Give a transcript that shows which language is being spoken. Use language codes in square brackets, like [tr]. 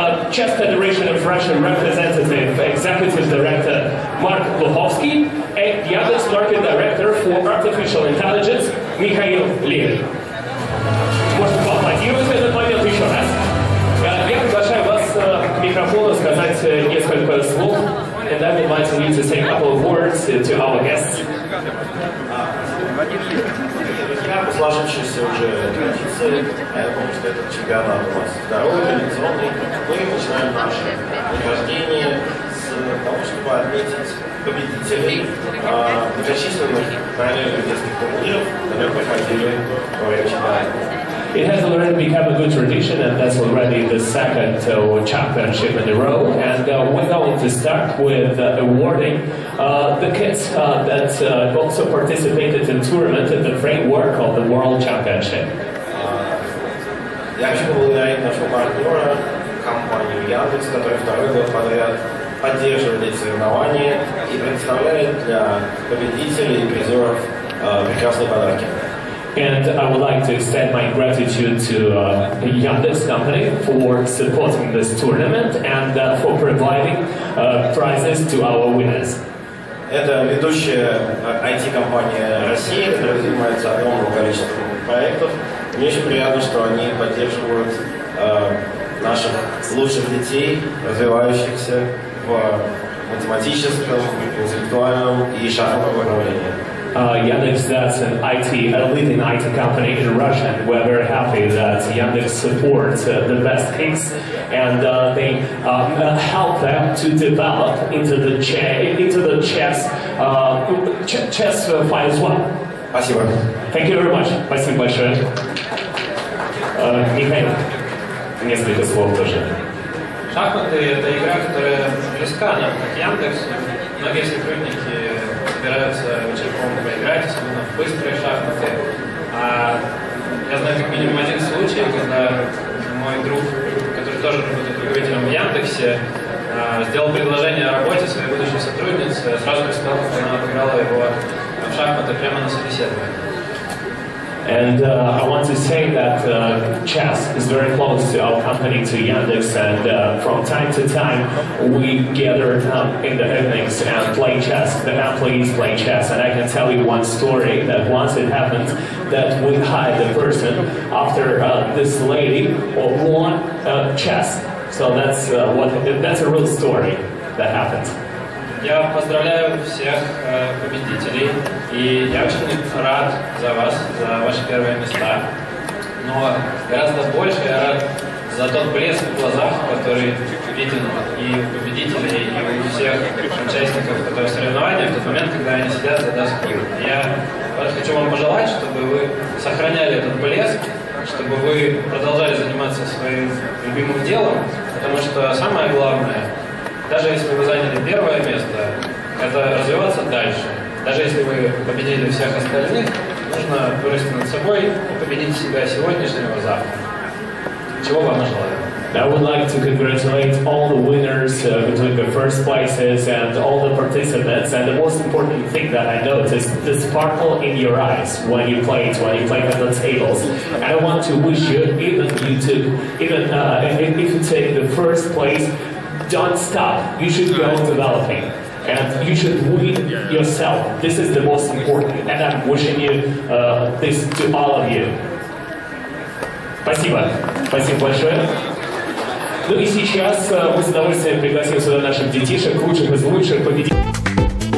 [en] Chess Federation of Russian representative, executive director Mark Luhovsky, and the Yandex market director for artificial intelligence, Mikhail Levin. [ru] Можете поаплодировать этот момент еще раз. Я приглашаю вас к микрофону сказать несколько слов. [en] And I'm inviting you to say a couple of words to our guests. [ru] По сложившейся уже традиции, я помню, что этот чемпионат у нас здоровый, традиционный. Мы начинаем наше награждение с того, чтобы отметить победителей многочисленных параллельных детских турниров, которые проходили во время чемпионата. [en] It has already become a good tradition, and that's already the second championship in a row. And we're going to start with awarding the kids that also participated in tournament in the framework of the World Championship. [ru] Я хочу поблагодарить нашего партнера, компанию Яндекс, которая второй год подряд поддерживает эти соревнования и представляет для победителей и призеров прекрасные подарки. [en] And I would like to extend my gratitude to Yandex company for supporting this tournament and for providing prizes to our winners. [ru] Это ведущая IT-компания России, которая занимается огромным количеством проектов. Мне очень приятно, что они поддерживают наших лучших детей, развивающихся в математическом, интеллектуальном и шахматном направлении. [en] Yandex, that's an IT, a leading IT company in Russia. We're very happy that Yandex supports the best kids, and they help them to develop into the chess fight as well. [ru] Спасибо. [en] Thank you very much. [ru] Спасибо большое. Михаил, несколько слов тоже. Шахматы — это игра, которая близка нам, как Yandex. Многие сотрудники собираются вечерком поиграть, особенно в быстрые шахматы. А я знаю как минимум один случай, когда мой друг, который тоже работает руководителем в Яндексе, сделал предложение о работе своей будущей сотруднице, сразу как сказал, что она отыграла его в шахматы прямо на собеседовании. [en] And I want to say that chess is very close to our company, to Yandex, and from time to time we gather in the evenings and play chess. The employees play chess, and I can tell you one story that once it happened that we hired a person after this lady won chess. So that's a real story that happened. [ru] Я поздравляю всех победителей, и я очень рад за вас, за ваши первые места. Но гораздо больше я рад за тот блеск в глазах, который виден и у победителей, и у всех участников этого соревнования в тот момент, когда они сидят за доской. Я хочу вам пожелать, чтобы вы сохраняли этот блеск, чтобы вы продолжали заниматься своим любимым делом, потому что самое главное, даже если вы заняли первое место, это развиваться дальше. Даже если вы победили всех остальных, нужно вырасти над собой и победить себя сегодняшнего завтра. [en] I would like to congratulate all the winners who took the first places and all the participants. And the most important thing that I noticed is the sparkle in your eyes when you played at the tables. I want to wish you, if you take the first place, don't stop. You should go developing. And you should win yourself. This is the most important. And I'm wishing you this to all of you. [ru] Спасибо. Спасибо большое. Ну и сейчас мы с удовольствием пригласим сюда наших детишек, лучших из лучших, победителей.